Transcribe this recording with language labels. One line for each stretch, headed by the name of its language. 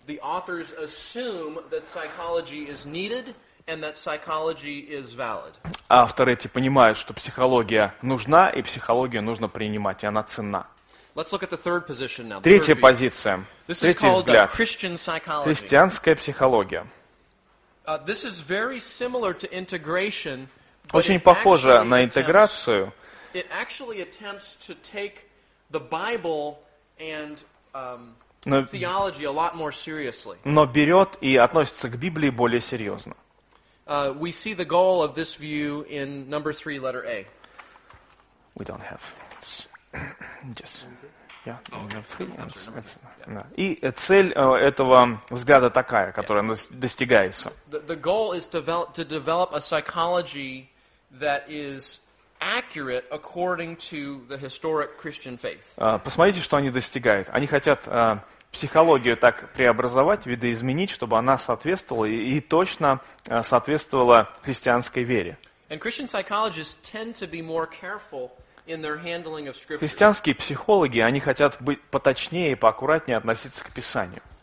English: The authors assume that psychology is needed and that psychology is valid.
Russian: Авторы эти понимают, что психология нужна и психологию нужно принимать, и она ценна.
English: Let's look at the third position now.
Russian: Третья позиция. Третий взгляд.
English: Christian psychology.
Russian: Христианская психология.
English: This is very similar to integration.
Russian: Очень похоже на интеграцию.
English: It actually attempts to take the Bible and theology a lot more seriously.
Russian: Но берет и относится к Библии более серьезно.
English: We see the goal of this view in number 3, letter A. We don't have. Yes. Yeah.
Russian: И цель этого взгляда такая, которая достигается.
English: The goal is to develop a psychology that is accurate according to the historic Christian faith.
Russian: Посмотрите, что они достигают. Они хотят психологию так преобразовать, видоизменить, чтобы она соответствовала и точно соответствовала христианской вере.
English: And Christian psychologists tend to be more careful in their handling of scripture.
Russian: Христианские психологи, они хотят быть поточнее и поаккуратнее относиться к Писанию.